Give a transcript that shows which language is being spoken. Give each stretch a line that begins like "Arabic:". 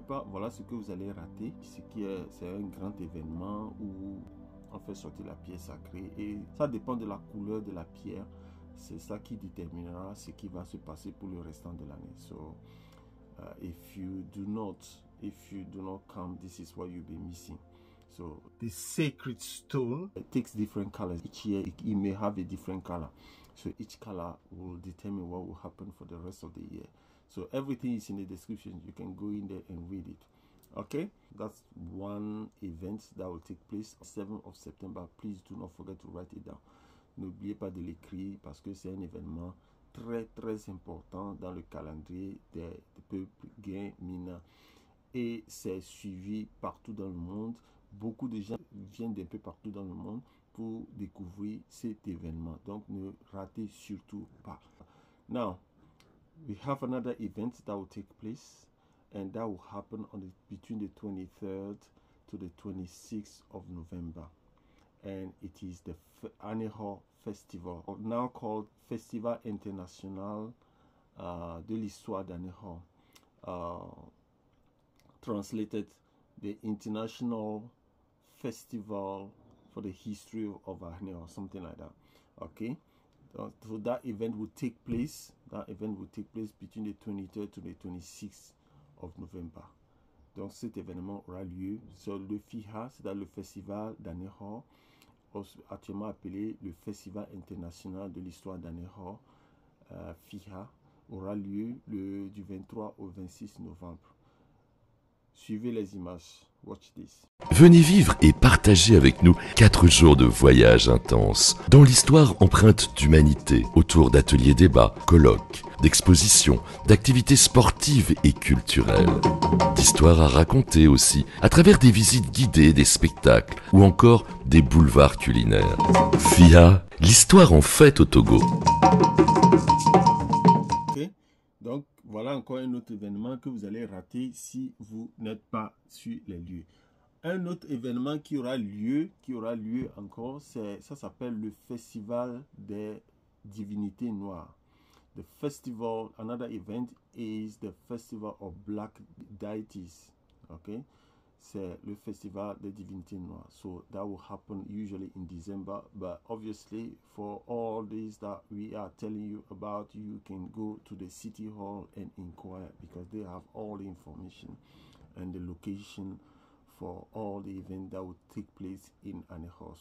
French: Voilà ce que vous allez rater, ce qui est, c'est un grand événement où on fait sortir la pierre sacrée, et ça dépend de la couleur de la pierre, c'est ça qui déterminera ce qui va se passer pour le restant de l'année.
English: So if you do not come, this is what you'll be missing. So the sacred stone, it takes different colors each year. It may have a different color, so each color will determine what will happen for the rest of the year. So everything is in the description. You can go in there and read it. Okay? That's one event that will take place 7th of September. Please do not forget to write it down.
French: N'oubliez pas de l'écrire parce que c'est un événement très, très important dans le calendrier des peuples Guin-Mina. Et c'est suivi partout dans le monde. Beaucoup de gens viennent d'un peu partout dans le monde pour découvrir cet événement. Donc, ne ratez surtout pas.
English: Now, we have another event that will take place, and that will happen on the between the 23rd to the 26th of November, and it is the Aneho Festival, or now called Festival International de l'histoire d'Aneho, translated the International Festival for the History of Aneho, something like that. Okay, so that event will take place. That event will take place between the 23rd to the 26th of November.
French: Donc cet événement aura lieu sur le Fiha, c'est-à-dire le festival d'Aneho, actuellement appelé le Festival international de l'histoire d'Aneho, Fiha, aura lieu du 23 au 26 novembre. Suivez les images.
English: Watch this.
French: Venez vivre et partager avec nous 4 jours de voyage intense dans l'histoire empreinte d'humanité autour d'ateliers débats, colloques, d'expositions, d'activités sportives et culturelles. D'histoires à raconter aussi à travers des visites guidées, des spectacles ou encore des boulevards culinaires. FIHA, l'histoire en fête au Togo. Donc voilà encore un autre événement que vous allez rater si vous n'êtes pas sur les lieux. Un autre événement qui aura lieu encore, ça s'appelle le Festival des divinités noires.
English: The festival, another event is the Festival of Black Deities.
French: Okay, c'est le festival des divinités noires.
English: So that will happen usually in December, but obviously for all this that we are telling you about, you can go to the city hall and inquire because they have all the information and the location for all the events that will take place in Aneho.